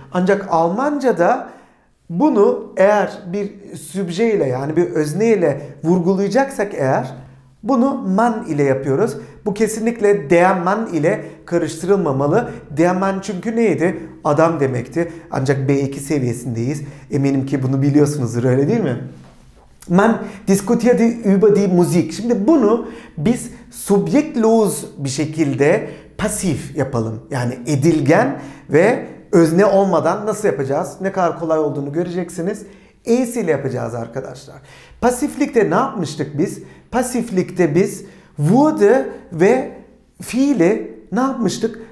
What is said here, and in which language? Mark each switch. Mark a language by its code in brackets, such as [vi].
[tr] Ancak Almanca'da bunu eğer bir sübje ile yani bir özne ile vurgulayacaksak eğer bunu man ile yapıyoruz. Bu kesinlikle [de] der Mann [tr] ile karıştırılmamalı. [de] Der Mann [tr] çünkü neydi? Adam demekti. Ancak B2 seviyesindeyiz. Eminim ki bunu biliyorsunuzdur öyle değil mi? [de] Man diskutierte über die Musik. [tr] Şimdi bunu biz subjektlos bir şekilde pasif yapalım. Yani edilgen ve özne olmadan nasıl yapacağız? Ne kadar kolay olduğunu göreceksiniz. Es ile yapacağız arkadaşlar. Pasiflikte ne yapmıştık biz? Pasiflikte biz wurde ve fiili ne yapmıştık?